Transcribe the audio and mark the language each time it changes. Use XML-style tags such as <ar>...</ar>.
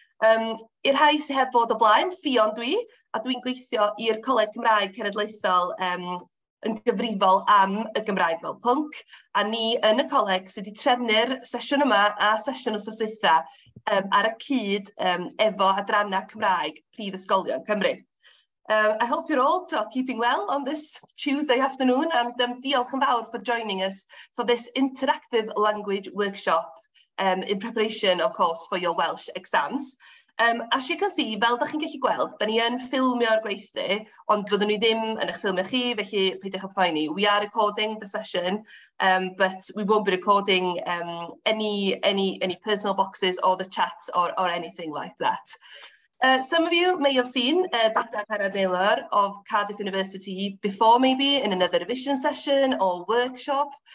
<cy>I'r rhai sy'n heb fod o blaen, ffion dwi, a dwi'n gweithio i'r Coleg Cymraeg Cenedlaethol yn gyfrifol am y Gymraeg fel pwnc, a ni yn y coleg sydd wedi trefnu'r sesiwn yma a sesiwn os oswitha ar y cyd efo adrannau Cymraeg Prif Ysgolion Cymru.</cy> <en>I hope you're all keeping well on this Tuesday afternoon, and</en> <cy>diolch yn fawr</cy> <en>for joining us for this interactive language workshop in preparation, of course, for your Welsh exams. As you can see,</en> <cy>fel dach chi'n gallu gweld, da ni yn ffilmio'r gweithdy, ond fyddwn ni ddim yn eich ffilmio chi, felly peidiwch yn poeni.</cy> <en>We are recording the session, but we won't be recording any personal boxes or the chat or anything like that. Some of you may have seen Dr. Carad Naylor of Cardiff University before, maybe in another revision session or workshop.</en>